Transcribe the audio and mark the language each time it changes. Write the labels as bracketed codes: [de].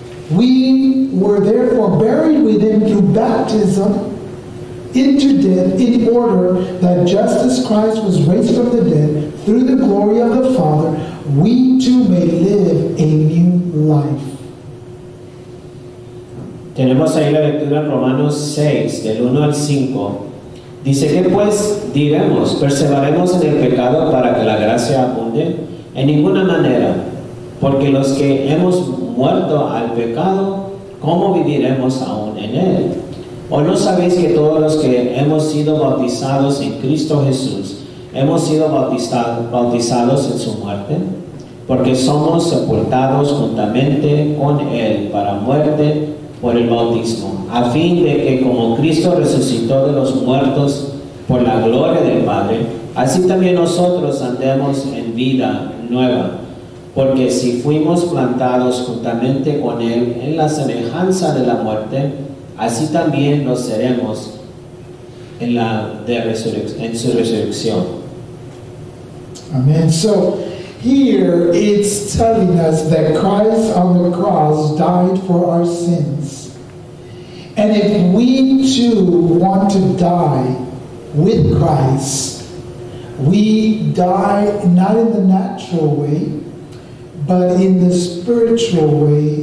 [en] We were therefore buried with him through baptism into death, in order that just as Christ was raised from the dead through the glory of the Father, we too may live a new life. [es] Tenemos ahí la lectura en Romanos 6, del 1 al 5. Dice que pues diremos, perseveremos en el pecado para que la gracia abunde. En ninguna manera, porque los que hemos muerto al pecado, ¿cómo viviremos aún en él? ¿O no sabéis que todos los que hemos sido bautizados en Cristo Jesús, hemos sido bautizados en su muerte? Porque somos sepultados juntamente con él para muerte por el bautismo, a fin de que como Cristo resucitó de los muertos por la gloria del Padre, así también nosotros andemos en vida nueva. Porque si fuimos plantados juntamente con él en la semejanza de la muerte, así también lo seremos en la de en su resurrección. Amen. [en] So here it's telling us that Christ on the cross died for our sins. And if we too want to die with Christ, we die not in the natural way, but in the spiritual way.